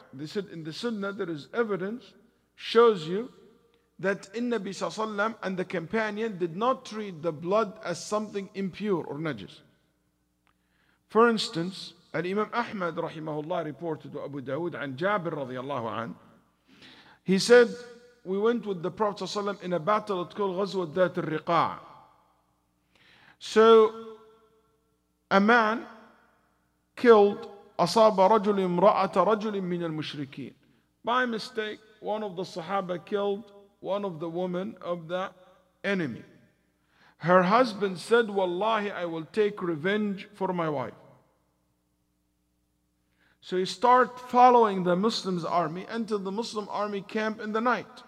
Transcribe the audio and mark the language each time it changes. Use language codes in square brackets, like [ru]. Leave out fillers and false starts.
[en] They said in the Sunnah there is evidence shows you that in Nabi Sallallahu Alaihi Wasallam and the companion did not treat the blood as something impure or najis. For instance, Al-Imam Ahmad rahimahullah reported to Abu Dawud and Jabir radiallahu an, he said, we went with the Prophet Sallallahu Alaihi Wasallam in a battle that called Ghazwa Dhat al-Riqa'. So a man killed [ar] أصاب رجل امرأة رجل من المشركين. [en] By mistake, one of the Sahaba killed one of the women of the enemy. Her husband said, Wallahi, I will take revenge for my wife. So he started following the Muslims' army until the Muslim army camp in the night.